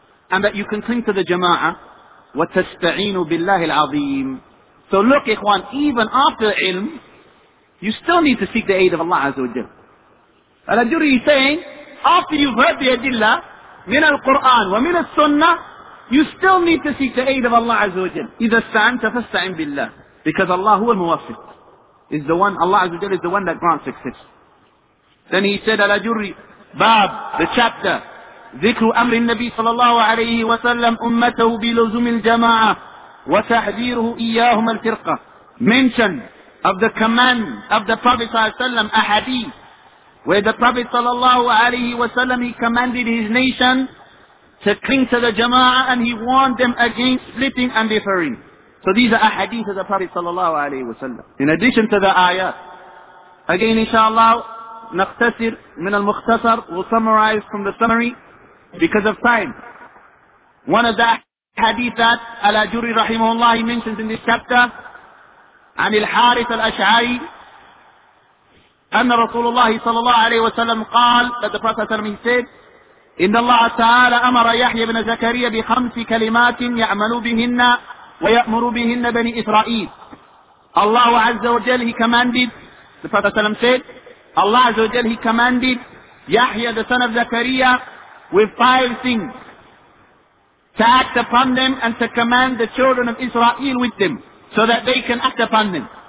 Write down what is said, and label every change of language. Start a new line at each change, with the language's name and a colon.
English: and that you can cling to the jama'ah,
Arabic: وَتَسْتَعِينُ بِاللَّهِ الْعَظِيمِ.
English: So look, ikhwan, even after ilm, you still need to seek the aid of Allah Azza wa Jalla. Al-Ajuri is saying, after you've heard the adillah,
Arabic: مِنَ الْقُرْآنِ وَمِنَ السُّنَّةِ,
English: you still need to seek the aid of Allah Azza wa Jalla.
Arabic: إِذَا اسْتَعَنْتَ فَاسْتَعِنْ بِاللَّهِ.
English: Because Allah
Arabic: هو الموفق.
English: Is the one, Allah Azza wa Jalla is the one that grants success. Then he said, Al-Ajuri, Bab, the chapter,
Arabic: ذكر أمر النبي صلى الله عليه وسلم أمته بلزوم الجماعة وتحذيره إياهم الفرقة.
English: Mention of the command of the Prophet صلى الله عليه وسلم, a hadith where the Prophet صلى الله عليه وسلم, he commanded his nation to cling to the جماعة and he warned them against splitting and differing. So these are a hadith of the Prophet صلى الله عليه وسلم. In addition to the ayat, again inshallah
Arabic: نختصر من المختصر,
English: we'll summarize from the summary because of time. One of the hadith that Al-Ajuri rahimahullah mentions in this chapter,
Arabic: عن الحارث الأشعري أن رسول الله صلى الله عليه وسلم قال,
English: that the Prophet said,
Arabic: إن الله تعالى أمر يحيى بن زكريا بخمس كلمات يعمل بهن ويأمر بهن بني إسرائيل.
English: الله عز وجل, he commanded, the Prophet said, Allah عز وجل, he commanded يحيى the son of Zakariya with five things, to act upon them and to command the children of Israel with them, so that they can act upon them.